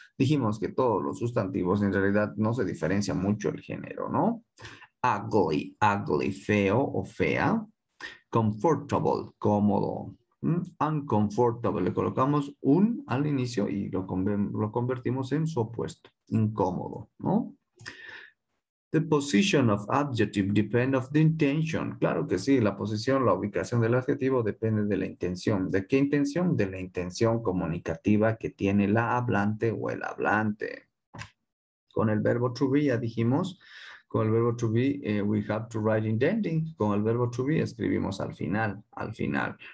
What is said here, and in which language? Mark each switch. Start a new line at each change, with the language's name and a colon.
Spanish: Dijimos que todos los sustantivos en realidad no se diferencia mucho el género, ¿no?
English: Ugly, ugly,
Spanish: feo o fea.
English: Comfortable,
Spanish: cómodo.
English: Uncomfortable,
Spanish: le colocamos un al inicio y lo convertimos en su opuesto, incómodo, ¿no?
English: The position of adjective depends of the intention.
Spanish: Claro que sí, la posición, la ubicación del adjetivo depende de la intención. ¿De qué intención? De la intención comunicativa que tiene la hablante o el hablante. Con el verbo to be, ya dijimos, con el verbo to be,
English: we have to write in the ending.
Spanish: Con el verbo to be, escribimos al final, al final.